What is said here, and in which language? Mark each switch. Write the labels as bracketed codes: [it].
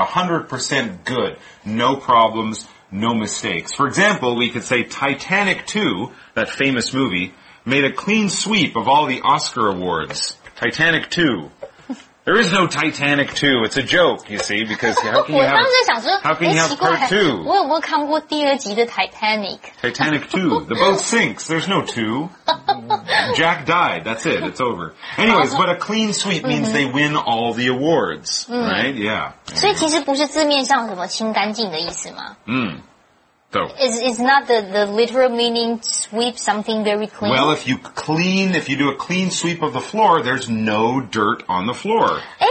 [en] 100% good. No problems, no mistakes. For example, we could say Titanic 2, that famous movie, made a clean sweep of all the Oscar awards. Titanic 2. There is no Titanic 2. It's a joke, you see, because how can you have, part 2? [zh] 我有没有看过第二集的 Titanic? [en] Titanic 2. The boat sinks. There's no 2. Jack died. That's it. It's over. Anyways, but a clean sweep means they win all the awards, right? Yeah. [zh] 所以其实不是字面上什么清干净的意思吗? [en] It's not the literal meaning sweep something very clean. Well, if you do a clean sweep of the floor, there's no dirt on the floor.